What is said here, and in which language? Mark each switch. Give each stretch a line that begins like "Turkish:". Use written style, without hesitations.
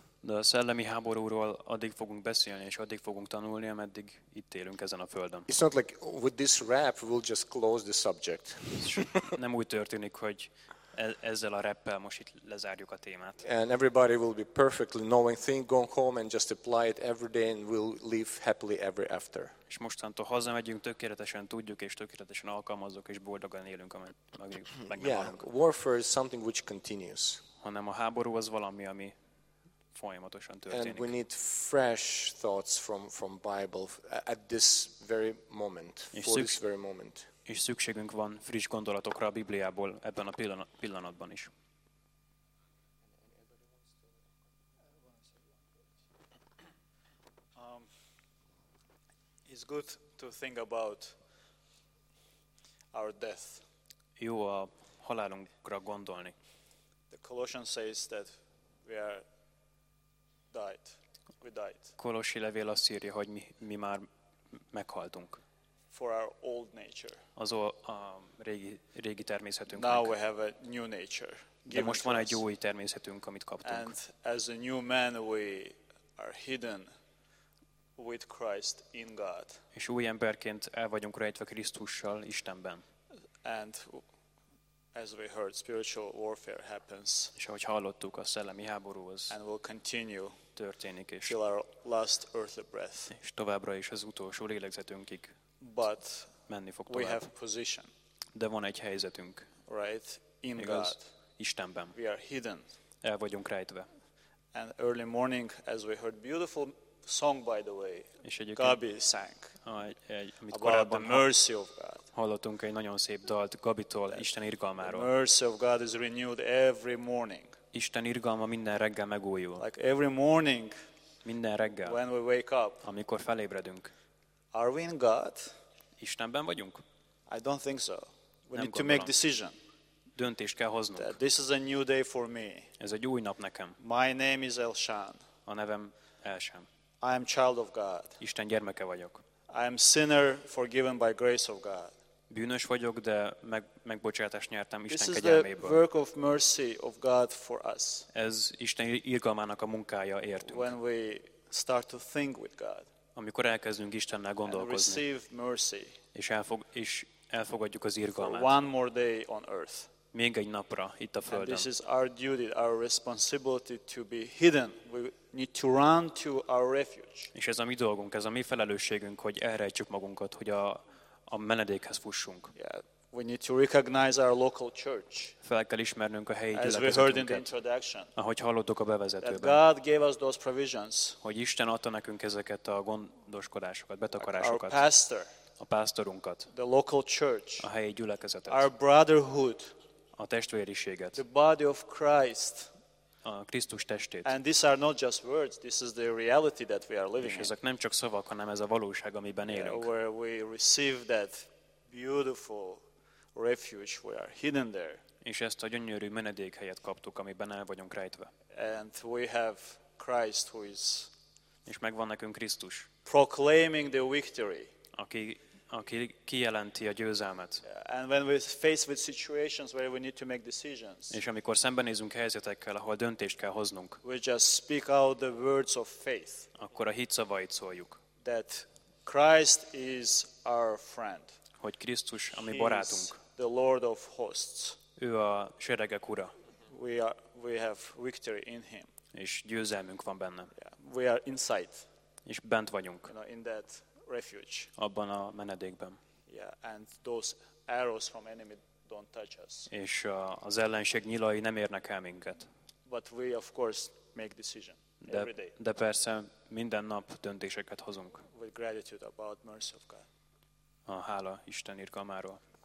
Hungarian: De a szellemi háborúról addig fogunk beszélni és addig fogunk tanulni, ameddig itt élünk ezen a földön.
English: It's not like with this rap we'll just close the subject.
Hungarian: Nem úgy történik, hogy ezzel a rappel most itt lezárjuk a témát.
English: And everybody will be perfectly knowing thing, going home and just apply it every day and we'll live happily ever after.
Hungarian: És mostantól hazamegyünk, tökéletesen tudjuk és tökéletesen alkalmazzuk és boldogan élünk, amíg meg nem halunk.
English: Yeah, warfare is something which continues.
Hungarian: Hanem a háború az valami, ami folyamatosan történik.
English: And we need fresh thoughts from Bible at this very moment, this very moment.
Hungarian: És szükségünk van friss gondolatokra a Bibliából ebben a pillanatban is.
English: It's good to think about our death.
Hungarian: Jó a halálunkra gondolni.
English: The Colossians says that we are died. We died.
Hungarian: Kolossi levél azt írja, hogy mi már meghaltunk.
English: For our old nature.
Hungarian: Az a régi természetünk.
English: Now we have a new nature.
Hungarian: De most van egy új természetünk, amit kaptunk.
English: And as a new man we are hidden with Christ in God.
Hungarian: És új emberként el vagyunk rejtve Krisztussal Istenben.
English: And as we heard, spiritual warfare happens.
Hungarian: És ahogy hallottuk, a szellemi háború az.
English: And will continue.
Hungarian: Történik is.
English: Till our last earthly breath.
Hungarian: És továbbra is az utolsó lélegzetünkig.
English: But
Hungarian: menni fog tovább.
English: We have position.
Hungarian: De van egy helyzetünk.
English: Right in
Hungarian: igaz?
English: God.
Hungarian: Istenben.
English: We are hidden.
Hungarian: El vagyunk rejtve.
English: And early morning, as we heard, beautiful song by the way.
Hungarian: És egyébként.
English: Gabi sang.
Hungarian: Amit
English: about the mercy of God.
Hungarian: Hallottunk egy nagyon szép dalt Gabitól, Isten irgalmáról.
English: Mercy of God is renewed every morning.
Hungarian: Isten irgalma minden reggel megújul.
English: Like every morning,
Hungarian: minden reggel,
English: when we wake up,
Hungarian: amikor felébredünk.
English: Are we in God?
Hungarian: Istenben vagyunk?
English: I don't think so. We
Hungarian: nem
English: need to make decision.
Hungarian: Döntést kell hoznunk.
English: That this is a new day for me.
Hungarian: Ez egy új nap nekem.
English: My name is Elshan.
Hungarian: A nevem Elshan.
English: I am child of God.
Hungarian: Isten gyermeke vagyok.
English: I am sinner forgiven by grace of God.
Hungarian: Bűnös vagyok, de megbocsátást nyertem Isten
English: this
Hungarian: kegyelméből.
English: Is the work of mercy of God for us.
Hungarian: Ez Isten irgalmának a munkája értünk.
English: When we start to think with God.
Hungarian: Amikor elkezdünk Istennel gondolkozni.
English: And receive mercy.
Hungarian: És elfogadjuk az irgalmát.
English: For one more day on earth.
Hungarian: Még egy napra itt a földön.
English: And this is our duty, our responsibility to be hidden. We need to run to our refuge.
Hungarian: És ez a mi dolgunk, ez a mi felelősségünk, hogy elrejtsük magunkat, hogy a menedékhez fussunk.
English: Yeah, we need to recognize our local church.
Hungarian: Fel kell ismernünk a helyi gyülekezetünket.
English: As we heard in the introduction.
Hungarian: Ahogy hallottuk a bevezetőben.
English: That God gave us those provisions.
Hungarian: Hogy Isten adta nekünk ezeket a gondoskodásokat, betakarásokat.
English: Our pastor.
Hungarian: A pásztorunkat.
English: The local church.
Hungarian: A helyi gyülekezetet.
English: Our brotherhood.
Hungarian: A testvériséget.
English: The body of Christ.
Hungarian: A Krisztus testét.
English: And these are not just words, this is the reality that we are living in.
Hungarian: És ezek nem csak szavak, hanem ez a valóság, amiben élünk.
English: Yeah, where we receive that beautiful refuge, we are hidden there.
Hungarian: És ezt a gyönyörű menedékhelyet kaptuk, amiben el vagyunk rejtve.
English: And we have Christ who is.
Hungarian: És megvan nekünk Krisztus.
English: Proclaiming the victory.
Hungarian: Aki kijelenti a győzelmet.
English: And when we face with situations where we need to make decisions.
Hungarian: És amikor szembenézünk helyzetekkel, ahol döntést kell hoznunk.
English: We just speak out the words of faith.
Hungarian: Akkor a hit szavait szóljuk.
English: That Christ is our friend.
Hungarian: Hogy Krisztus a mi barátunk.
English: The Lord of hosts.
Hungarian: Ő a seregek ura.
English: We have victory in him.
Hungarian: És győzelmünk van benne.
English: Yeah. We are inside.
Hungarian: És bent vagyunk.
English: You know, in that refuge.
Hungarian: Abban a menedékben.
English: Yeah, and those arrows from enemy don't touch us.
Hungarian: És az ellenség nyilai nem érnek el minket.
English: But we of course make decision every day.
Hungarian: De persze minden nap döntéseket hozunk.
English: With gratitude about mercy of God.
Hungarian: A hála Isten irgalmáról.